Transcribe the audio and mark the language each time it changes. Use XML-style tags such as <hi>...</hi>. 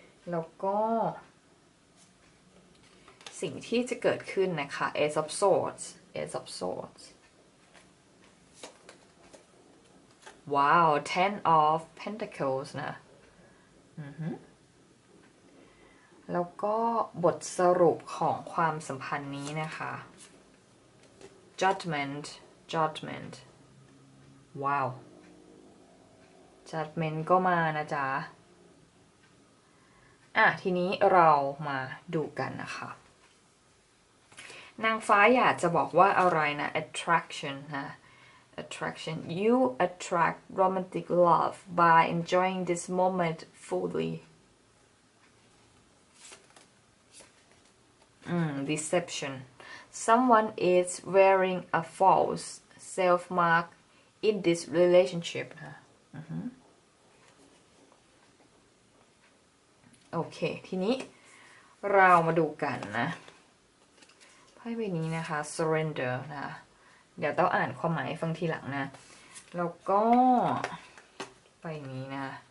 <th>แล้วก็สิ่งที่จะเกิดขึ้นนะคะ Ace of Swords Ace of Swords ว้าว Ten of Pentacles นะแล้วก็บทสรุปของความสัมพันธ์นี้นะคะ</th> <en>Judgment, judgment. Wow.</en> <th>Judgment ก็มานะจ๊ะทีนี้เรามาดูกันนะคะนางฟ้าอยากจะบอกว่าอะไรนะ attraction นะ</th> <en>attraction. You attract romantic love by enjoying this moment fully. Deception. Someone is wearing a false self mark in this relationship.</en> <th>โอเคทีนี้เรามาดูกันนะไพ่ใบนี้นะคะ surrender นะเดี๋ยวต้องอ่านความหมายฟังทีหลังนะแล้วก็ไปนี้นะ</th>